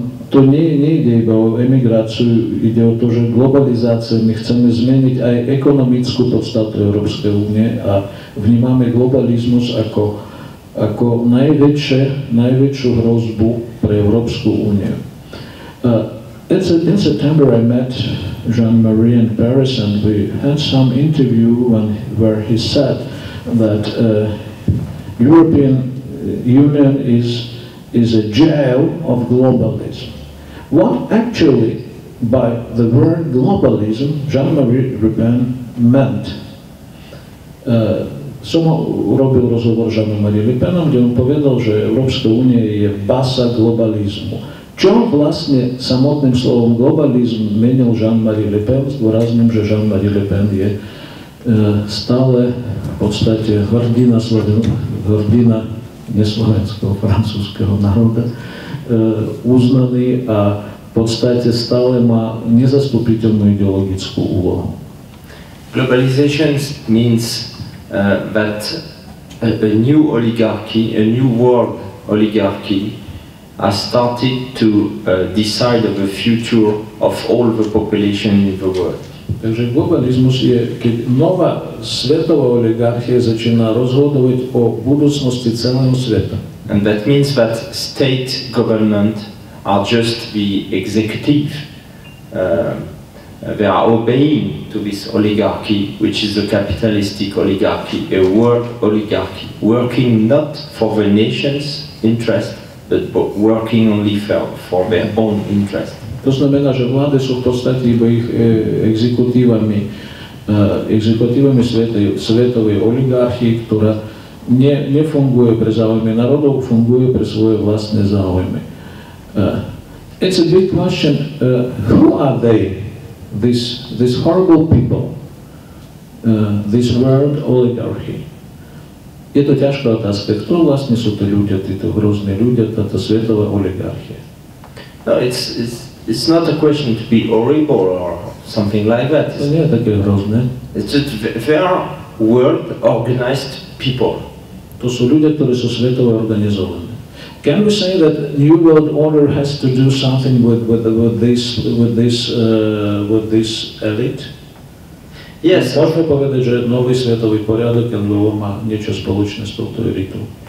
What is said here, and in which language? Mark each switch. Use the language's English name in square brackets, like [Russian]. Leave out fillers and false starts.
[Slovak] To nie ide iba o emigráciu, ide o to, že globalizácia, my chceme zmeniť aj ekonomickú podstatu Európskej únie a vnímame globalizmus ako najväčšiu hrozbu pre Európsku úniu. [English] In September I met Jean-Marie in Paris and we had some interview where he said that European Union is a jail of globalism. What actually, by the word globalism, Jean-Marie Le Pen meant? [Slovak] Som urobil rozhovor Jean-Marie Le Penom, kde on povedal, že Európska únia je basa globalizmu. Čo vlastne samotným slovom globalizm menil Jean-Marie Le Pen? Zdôrazním, že Jean-Marie Le Pen je stále v podstate hrdina neslovenského, francúzského národa, uznaný a v podstate stále má nezastupiteľnú ideologickú úlohu. [English] Globalization means that a new oligarchy, a new world oligarchy has started to decide the future of all the population in the world. [Slovak] Takže globalizmus je, keď nová svetová oligarchia začína rozhodovať o budúcnosti celého sveta. [English] And that means that state government are just the executive. They are obeying to this oligarchy, which is a capitalistic oligarchy, a world oligarchy, working not for the nation's interest, but working only for their own interest. [Slovak] To znamená, že vlády sú v podstate iba ich exekutívami svetovej oligarchie, ktorá nefunguje pre záujmy národov, funguje pre svoje vlastné záujmy. [English] It's a big question, who are they, these horrible people, this world oligarchy? [Slovak] Je to ťažká otázka, kto vlastne sú to ľudia, títo hrozní ľudia, táto svetová oligarchia? [English] No, it's not a question to be horrible or something like that. [Slovak] To nie je také hrozné. [English] It's just they are world organized people. [Slovak] To sú ľudia, ktorí sú svetovo organizované. [English] Can we say that new world order has to do something with this elite? Yes. [Slovak] Môžeme povedať, že nový svetový poriadok alebo má niečo spoločné s touto elitou.